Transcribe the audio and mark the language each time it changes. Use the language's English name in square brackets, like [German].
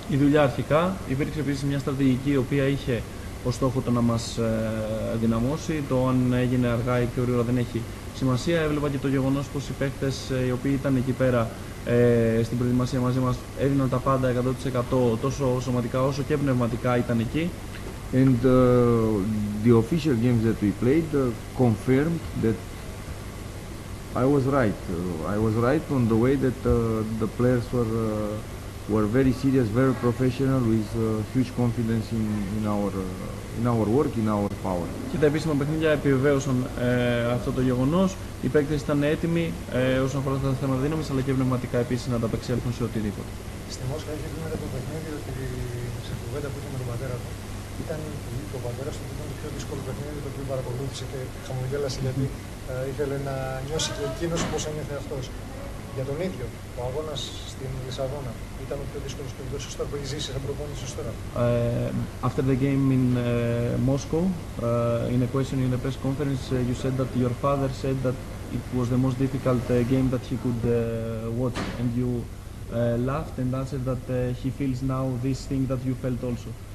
[Greek] Η δουλειά αρχικά υπήρξε επίσης μια στρατηγική η οποία είχε ως στόχο το να μας δυναμώσει. Το αν έγινε αργά ή πιο γρήγορα δεν έχει σημασία. Έβλεπα και το γεγονός πως οι παίκτες οι οποίοι ήταν εκεί πέρα στην προετοιμασία μαζί μας έδιναν τα πάντα 100% τόσο σωματικά όσο και πνευματικά ήταν εκεί. [English] And the official games that we played confirmed that I was right. I was right on the way that the players were very serious, very professional, with huge confidence in our work, in our power. [Greek] Και τα επίσημα παιχνίδια επιβεβαίωσαν αυτό το γεγονός. Οι παίκτες ήταν έτοιμοι όσον αφορά τα θέματα δύναμης, αλλά και πνευματικά επίσης να ανταπεξέλθουν σε οτιδήποτε. Στη Μόσχα είχε πει μετά το παιχνίδι ότι σε κουβέντα που είχε με τον πατέρα του, ήταν το πατέρα του, ήταν το πιο δύσκολο παιχνίδι το οποίο παρακολούθησε και χαμογέλασε γιατί ήθελε να νιώσει και εκείνος πώς ένιωθε αυτός. Για τον ίδιο, ο αγώνας στην Λισαβόνα ήταν ο πιο δύσκολος παιχνίδι σωστά που έχει ζήσει σαν προπόνηση ως τώρα. [English] After the game in Moscow, in a question in a press conference, you said that your father said that it was the most difficult game that he could watch and you laughed and answered that he feels now this thing that you felt also.